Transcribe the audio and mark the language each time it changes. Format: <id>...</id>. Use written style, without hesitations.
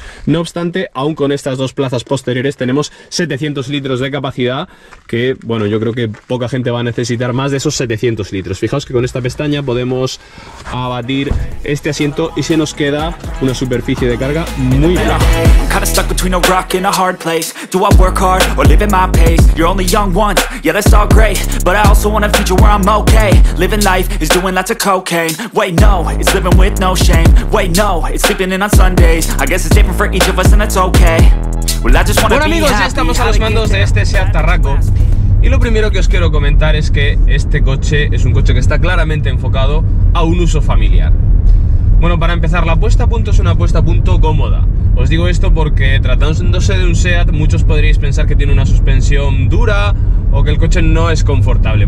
<es>No obstante, aún con estas dos plazas posteriores tenemos 700 litros de capacidad, que bueno, yo creo que poca gente va a necesitar más de esos 700 litros. Fijaos que con esta pestaña podemos abatir este asiento y se nos queda una superficie de carga muy grande.</es> <en>Kinda stuck between a rock and a hard place. Do I work hard or live at my pace? You're only young once, yeah that's all great. But I also want a future where I'm okay. Living life is doing lots of cocaine. Wait no, it's living with no shame. Wait no, it's sleeping in on Sundays. I guess it's different for each of us and it's okay. Well, I just wanna</en> <es>bueno, amigos, ya estamos a los mandos de este Seat Tarraco. Y lo primero que os quiero comentar es que este coche es un coche que está claramente enfocado a un uso familiar. Bueno, para empezar, la puesta a punto es una puesta a punto cómoda. Os digo esto porque tratándose de un Seat, muchos podríais pensar que tiene una suspensión dura o que el coche no es confortable.</es>